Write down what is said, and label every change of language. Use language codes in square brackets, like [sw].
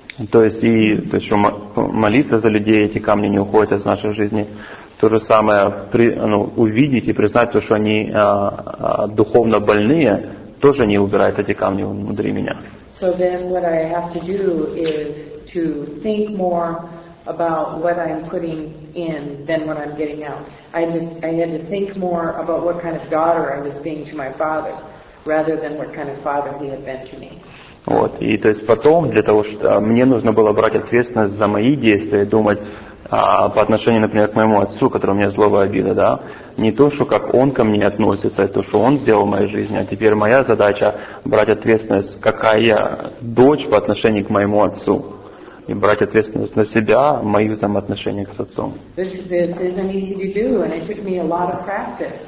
[ru] То есть и то, что молиться за людей, эти камни не уходят из нашей жизни. То же самое при, ну, увидеть и признать то, что они духовно больные, тоже не убирает эти камни внутри меня. [en] So then what I have to do is to think more about what I'm putting in than what I'm getting out. I had to think more about what kind of daughter I was being to my father, rather than what kind of father he had been to me. [ru] Вот, и то есть потом, для того, что мне нужно было брать ответственность за мои действия, думать по отношению, например, к моему отцу, который у меня злоба и обида, да, не то, что как он ко мне относится, а то, что он сделал в моей жизни, а теперь моя задача брать ответственность, какая я дочь по отношению к моему отцу, и брать ответственность на себя, мои взаимоотношения с отцом. [en] This isn't easy to do, and it took me a lot of practice.